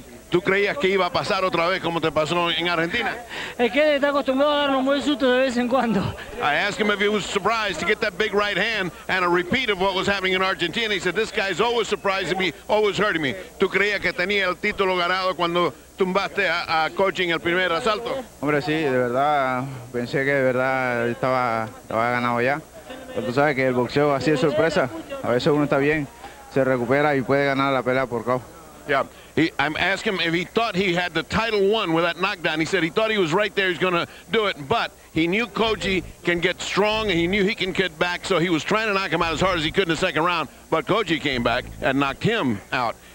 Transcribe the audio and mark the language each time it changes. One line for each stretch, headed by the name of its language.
Spanish: ¿Tú creías que iba a pasar otra vez como te pasó en Argentina? Es que está acostumbrado a darnos un buen susto de vez en cuando.
English: I asked him if he was surprised to get that big right hand and a repeat of what was happening in Argentina. He said, this guy's always surprising me, always hurting me.
Spanish: ¿Tú creías que tenía el título ganado cuando tumbaste a Coggi en el primer asalto? Hombre, sí, de verdad, pensé que de verdad estaba ganado ya. Pero tú sabes que el boxeo así es sorpresa. A veces uno está bien, se recupera y puede ganar la pelea por KO.
English: Yeah. I'm asking him if he thought he had the title won with that knockdown. He said he thought he was right there. He's going to do it. But he knew Coggi can get strong, and he knew he can get back. So he was trying to knock him out as hard as he could in the second round. But Coggi came back and knocked him out.